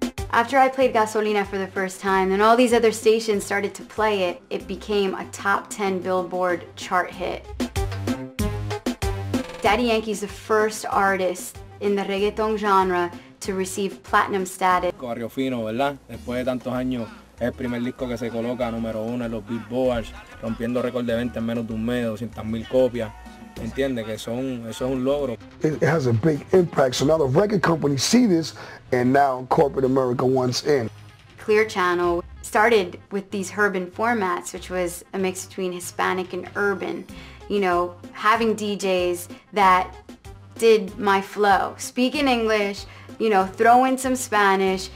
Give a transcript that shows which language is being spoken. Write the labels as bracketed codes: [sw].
[en] After I played Gasolina for the first time, then all these other stations started to play it. It became a top 10 Billboard chart hit. Daddy Yankee's the first artist in the reggaeton genre to receive platinum status. [es] Barrio Fino, ¿verdad? Después de tantos años, es el primer disco que se coloca número uno en los Billboards, rompiendo récord de venta en menos de un mes, 200,000 copias. ¿Entiendes? Que eso es un logro. [en] It has a big impact. So now the record companies see this, and now corporate America wants in. Clear Channel started with these urban formats, which was a mix between Hispanic and urban. You know, having DJs that did my flow, speak in English, you know, throw in some Spanish.